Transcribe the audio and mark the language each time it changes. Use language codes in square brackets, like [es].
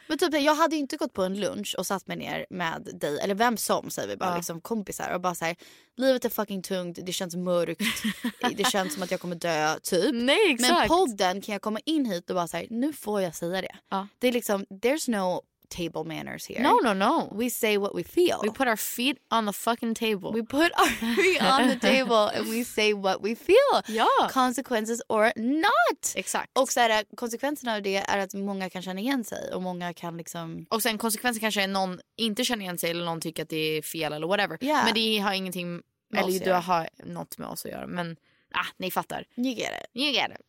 [sv] Men typ jag hade inte gått på en lunch och satt mig ner med dig, eller vem som, säger vi bara, liksom kompisar. Och bara så här, livet är fucking tungt, det känns mörkt, det känns som att jag kommer dö, typ. Nej, exakt. Men podden kan jag komma in hit och bara så här, nu får jag säga det. Det är liksom, [en] there's no table manners here. No, no, no. We say what we feel. We put our feet on the fucking table. We put our feet on the table and we say what we feel. [sv] Ja. [en] Consequences or not. [sv] Exakt. Och så är det, konsekvenserna av det är att många kan känna igen sig och många kan liksom... Och sen konsekvenser kanske är någon inte känner igen sig eller någon tycker att det är fel eller whatever. [en] Yeah. [sv] Men det har ingenting med eller oss du gör. Har något med oss att göra. Men, ni fattar. [en] You get it. You get it.